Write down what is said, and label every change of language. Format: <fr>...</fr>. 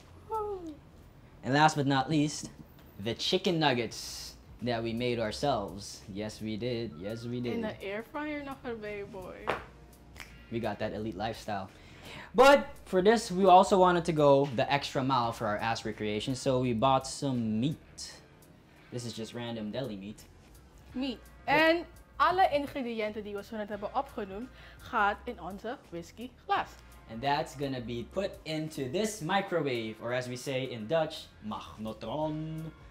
<en>And last but not least, the chicken nuggets that we made ourselves. Yes we did. In the air fryer, not a baby boy. We got that elite lifestyle. But for this, we also wanted to go the extra mile for our ass recreation, so we bought some meat. This is just random deli meat. Meat.</en> <nl>En alle ingrediënten die we zo net hebben opgenoemd, gaat in onze whisky glas.</nl> <en>And that's gonna be put into this microwave, or as we say in Dutch, magnetron.</en>